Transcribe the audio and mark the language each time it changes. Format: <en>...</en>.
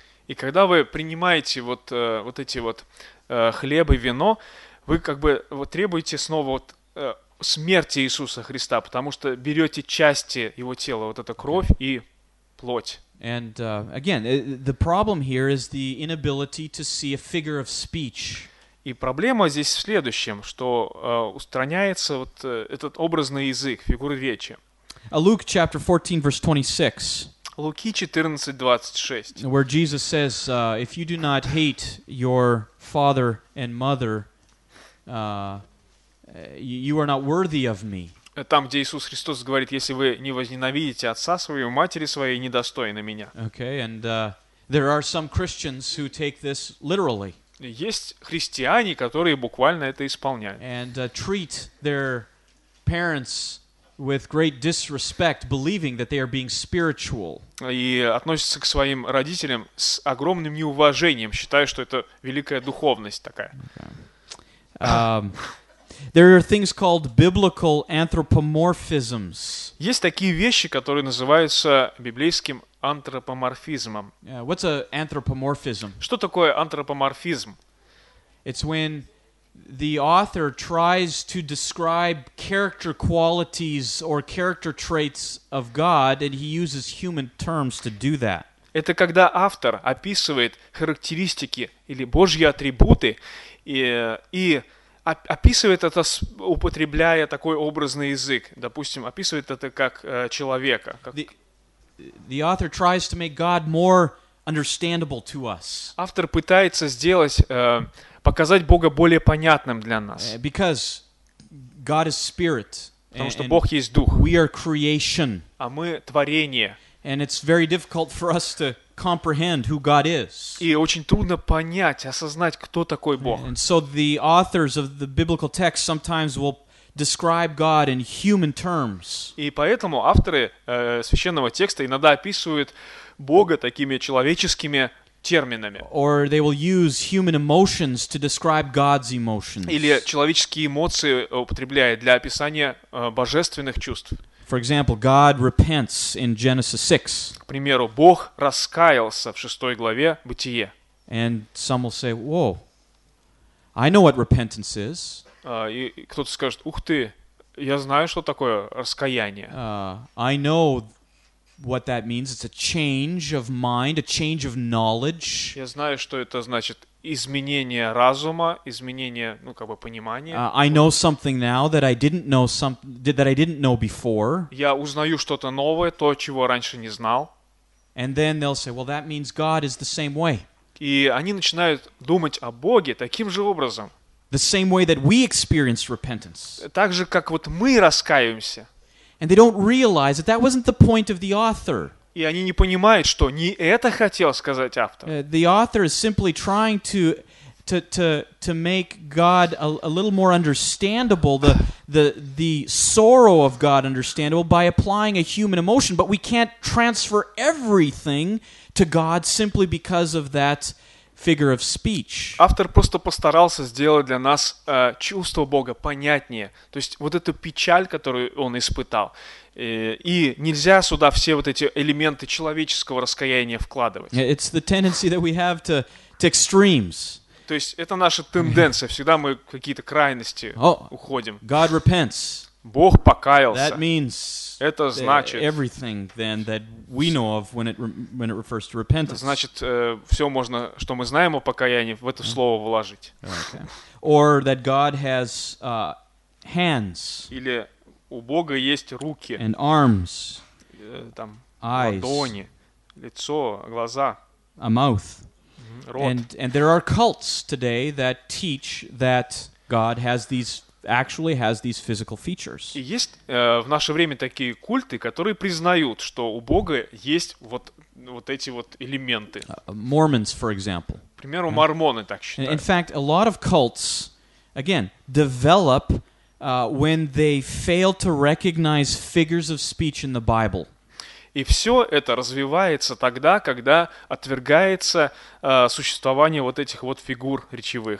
<ru>И когда вы принимаете вот эти вот хлеб и вино, вы как бы вот требуете снова вот смерти Иисуса Христа, потому что берете части его тела, вот эту кровь и плоть.</ru> <en>And again, the problem here is the inability to see a figure of speech.</en> <ru>И проблема здесь в следующем, что устраняется вот этот образный язык, фигуры речи.</ru> <en>Luke chapter 14, verse 26.</en> <ru>Луки 14:26.</ru> <en>Where Jesus says, if you do not hate your father and mother, you are not worthy of me.</en> <ru>Там, где Иисус Христос говорит, если вы не возненавидите отца своего, матери своей, недостойны меня.</ru> <en>Okay, and there are some Christians who take this literally.</en> <ru>Есть христиане, которые буквально это исполняют.</ru> <en>And treat their parents with great disrespect, believing that they are being spiritual.</en> <ru>И относится к своим родителям с огромным неуважением, считая, что это великая духовность такая.</ru> <en>There are things called biblical anthropomorphisms.</en> <ru>Есть такие вещи, которые называются библейским антропоморфизмом.</ru> <en>What's an anthropomorphism?</en> <ru>Что такое антропоморфизм?</ru> <en>It's when the author tries to describe character qualities or character traits of God, and he uses human terms to do that.</en> <ru>Это когда автор описывает характеристики или Божьи атрибуты и описывает это, употребляя такой образный язык. Допустим, описывает это как человека.</ru> <en>The author tries to make God more understandable to us.</en> <ru>Автор пытается сделать показать Бога более понятным для нас.</ru> <en>Because God is spirit,</en> <ru>потому что Бог есть Дух.</ru> <en>We are creation,</en> <ru>а мы творение.</ru> <en>And it's very difficult for us to comprehend who God is.</en> <ru>И очень трудно понять, осознать, кто такой Бог.</ru> <en>And so the authors of the biblical text sometimes will describe God in human terms.</en> <ru>И поэтому авторы священного текста иногда описывают Бога такими человеческими терминами.</ru> <en>Or they will use human emotions to describe God's emotions.</en> <ru>Или человеческие эмоции употребляют для описания божественных чувств.</ru> <en>For example, God repents in Genesis 6.</en> <ru>К примеру, Бог раскаялся в 6 главе Бытие.</ru> <en>And some will say, "Whoa, I know what repentance is."</en> <ru>И кто-то скажет: "Ух ты, Я знаю, что такое раскаяние.</ru> <en>I know what that means. It's a change of mind, a change of knowledge.</en> <ru>Я знаю, что это значит изменение разума, изменение, ну, как бы понимания.</ru> <en>I know something now that I didn't know that I didn't know before.</en> <ru>Я узнаю что-то новое, то, чего раньше не знал.</ru> <en>And then they'll say, well, that means God is the same way.</en> <ru>И они начинают думать о Боге таким же образом.</ru> <en>The same way that we experience repentance.</en> <ru>Так же, как вот мы раскаиваемся.</ru> <en>And they don't realize that that wasn't the point of the author.</en> <ru>И они не понимают, что не это хотел сказать автор.</ru> <en>The author is simply trying to make God a little more understandable, the sorrow of God understandable by applying a human emotion, but we can't transfer everything to God simply because of that figure of speech.</en> <ru>Автор просто постарался сделать для нас чувство Бога понятнее. То есть вот эту печаль, которую он испытал. И нельзя сюда все вот эти элементы человеческого раскаяния вкладывать.</ru> <en>It's the tendency that we have to extremes.</en> <ru>То есть это наша тенденция. Всегда мы какие-то крайности уходим.</ru> <en>God repents.</en> <ru>Бог покаялся.</ru> <en>That means</en> <ru>это значит</ru> <en>everything then that we know of when it refers to repentance.</en> <ru>Значит, все можно, что мы знаем о покаянии, в это слово вложить.</ru> <en>Okay. Or that God has hands.</en> <ru>Или у Бога есть руки.</ru> <en>And arms.</en> <ru>Там</ru> <en>eyes,</en> <ru>ладони, лицо, глаза.</ru> <en>A mouth.</en> <ru>Рот.</ru> <en>And there are cults today that teach that God has these actually has these physical features.</en> <ru>И есть в наше время такие культы, которые признают, что у Бога есть вот эти вот элементы.</ru> <en>Mormons, for example.</en> <ru>К примеру, мормоны так считают.</ru> <en>In fact, a lot of cults, again, develop when they fail to recognize figures of speech in the Bible.</en> <ru>И все это развивается тогда, когда отвергается существование вот этих вот фигур речевых.</ru>